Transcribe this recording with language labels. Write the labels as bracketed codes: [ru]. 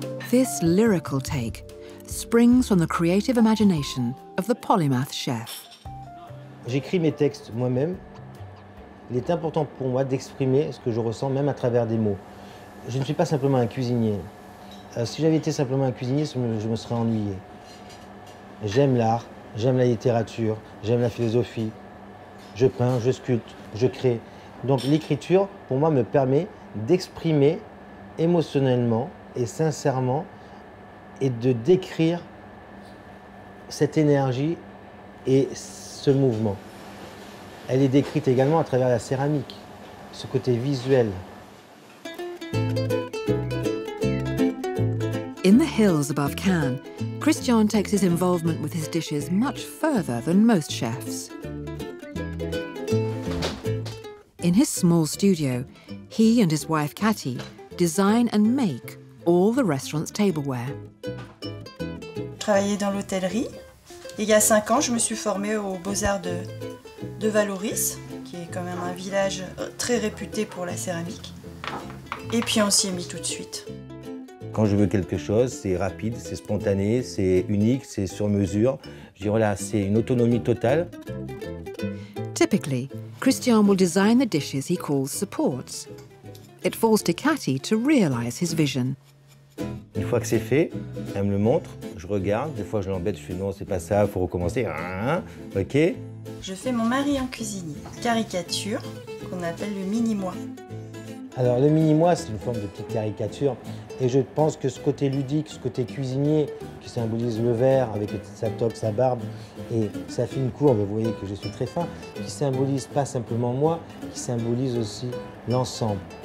[en] This lyrical take springs from the creative imagination of the polymath chef. [fr] J'écris mes textes moi-même. Il est important pour moi d'exprimer ce que je ressens même à travers des mots. Je ne suis pas simplement un cuisinier. Si j'avais été simplement un cuisinier, je me serais ennuyé. J'aime l'art, j'aime la littérature, j'aime la philosophie. Je peins, je sculpte, je crée. Donc l'écriture, pour moi, me permet d'exprimer émotionnellement et sincèrement et de décrire cette énergie et ce mouvement. Elle est décrite également à travers la céramique, ce côté visuel. [en] In the hills above Cannes, Christian takes his involvement with his dishes much further than most chefs. In his small studio, he and his wife Cathy design and make all the restaurant's tableware. [fr] Travailler dans l'hôtellerie. Il y a 5 ans, je me suis formée aux beaux-arts de Valoris, qui est quand même un village très réputé pour la céramique. et puis on s'y est mis tout de suite. Quand je veux quelque chose, c'est rapide, c'est spontané, c'est unique, c'est sur mesure. Je dirais là, c'est une autonomie totale. [en] Typically, Christian will design the dishes he calls supports. It falls to Cathy to realize his vision. [fr] Une fois que c'est fait, elle me le montre, je regarde, des fois je l'embête, je fais non, c'est pas ça, faut recommencer. OK. Je fais mon mari en cuisinier, caricature qu'on appelle le mini moi. Alors le mini moi, c'est une forme de petite caricature et je pense que ce côté ludique, ce côté cuisinier qui symbolise le verre avec sa toque, sa barbe et sa fine courbe, vous voyez que je suis très fin, qui symbolise pas simplement moi, qui symbolise aussi l'ensemble.